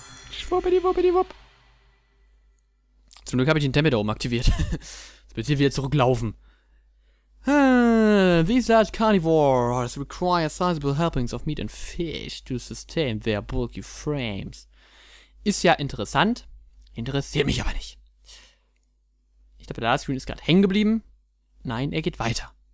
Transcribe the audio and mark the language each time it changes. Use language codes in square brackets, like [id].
[de] Schwuppidiwuppidiwupp. Zum Glück habe ich den Tempel da oben aktiviert. Jetzt wird hier wieder zurücklaufen. [en] These large carnivores require sizable helpings of meat and fish to sustain their bulky frames. [de] Ist ja interessant. Interessiert mich aber nicht. Ich glaube, der Screen ist gerade hängen geblieben. Nein, er geht weiter.